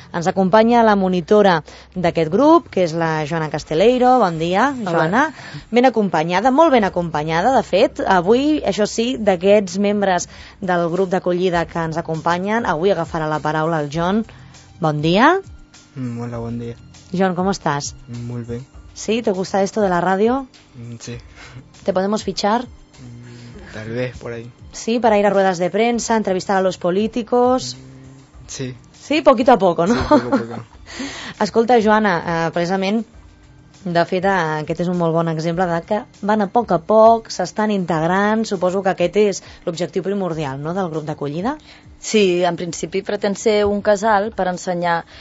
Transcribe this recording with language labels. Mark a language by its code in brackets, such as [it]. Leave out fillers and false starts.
[ca] Ens acompanya la monitora d'aquest grup, que és la Joana Casteleiro. Bon dia, Joana. Hola. Ben acompanyada, molt ben acompanyada, de fet. Avui, això sí, d'aquests membres del grup d'acollida que ens acompanyen, avui agafarà la paraula el John. Bon dia. Hola, bon dia. John, com estàs? Molt bé. [es] ¿Sí? ¿Te gusta esto de la radio? Sí. ¿Te podemos fichar? Tal vez, por ahí. ¿Sí? ¿Para ir a ruedas de prensa, entrevistar a los políticos? Sí. ¿Sí? Poquito a poco, ¿no? Sí, poco a poco. [ca] Escolta, Joana, precisament, de fet, aquest és un molt bon exemple de que van a poc, s'estan integrant. Suposo que aquest és l'objectiu primordial, no?, del grup d'acollida. Sí, en principi pretén ser un casal per ensenyar.